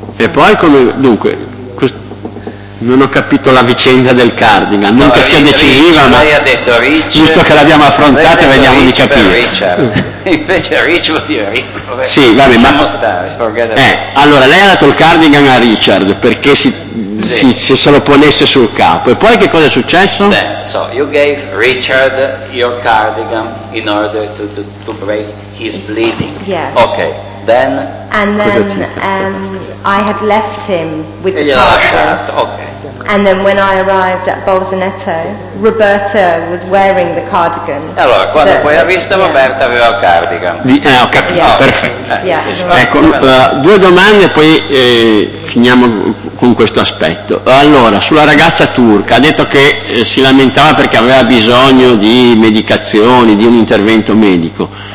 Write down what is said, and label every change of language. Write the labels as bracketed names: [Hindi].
[Italian] E poi come, dunque, non ho capito la vicenda del cardigan, non che sia decisiva, Rich, ma lei ha detto Rich, giusto che l'abbiamo affrontata, vediamo Rich di capire. Invece Rich vuol dire Rich. Sì, va bene, diciamo, allora lei ha dato il cardigan a Richard perché se lo ponesse sul capo. E poi che cosa è successo? [English] So you gave Richard your cardigan in order to break his bleeding. Yeah. Okay. Then, and then I had left him with the cardigan. Okay. And then when I arrived at Bolzaneto, Roberta was wearing the cardigan. [Italian] Allora, quando poi ha visto, yeah, Roberta aveva il cardigan. Ho capito, yeah. Perfetto. Yeah. Ecco, due domande e poi finiamo con questo aspetto. Allora, sulla ragazza turca, ha detto che si lamentava perché aveva bisogno di medicazioni, di un intervento medico.